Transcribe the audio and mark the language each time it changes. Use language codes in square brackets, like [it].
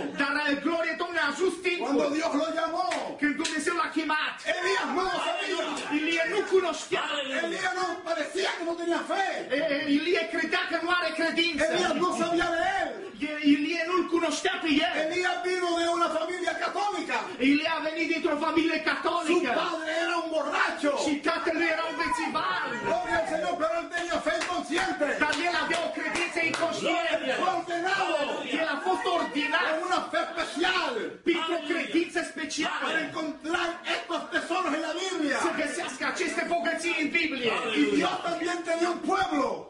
[ro] Dar la gloria Domnului a ajuns timpul. [es] Cuando Dios lo llamó. [ro] Când Dumnezeu l-a chemat. [es] Elia no lo sabía. [ro] Ilie nu cunoștea. [es] Elia no parecía que no tenía fe. [ro] Ilie credea că nu are credință. [es] Elia no sabía de él. [ro] Ilie nu-l cunoștea pe el. [es] Elia vino de una familia católica. [ro] Ilie a venit dintr-o familie catolică. [es] Su padre era un borracho. [ro] Și tatăl era un vecibar. [es] Gloria al Señor, pero él tenía fe inconsciente. [ro] Dar el avea o credință inconștiente. El a fost ordinat. [es] Con una fe especial. [ro] Pentru o credință specială. [es] Para encontrar estos tesoros en la Biblia. [ro] Să găsească aceste bogății în Biblie. [es] Y Dios también tenía un pueblo.